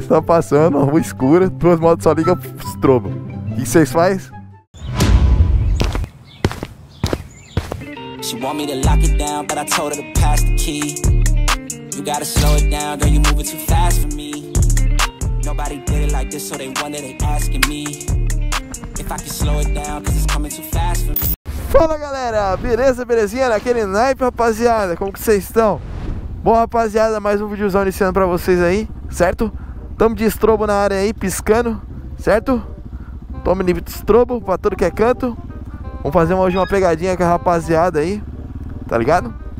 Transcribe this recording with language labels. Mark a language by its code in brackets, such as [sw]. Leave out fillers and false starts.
[pt] Você tá passando uma rua escura, duas motos só ligam pro estrobo. O que vocês fazem? [en] She want me to lock it down, but I told her to pass the key. You gotta slow it down, girl, you moving too fast for me. Nobody did it like this, so they wonder, they asking me. If I can slow it down, cause it's coming too fast for me. [pt] Fala, galera! Beleza, belezinha? Aquele naipe, rapaziada? Como que vocês estão? Bom, rapaziada, mais um videozão iniciando pra vocês aí, certo? Tamo de estrobo na área aí, piscando, certo? Tome nível de estrobo pra tudo que é canto. Vamos fazer hoje uma pegadinha com a rapaziada aí, tá ligado?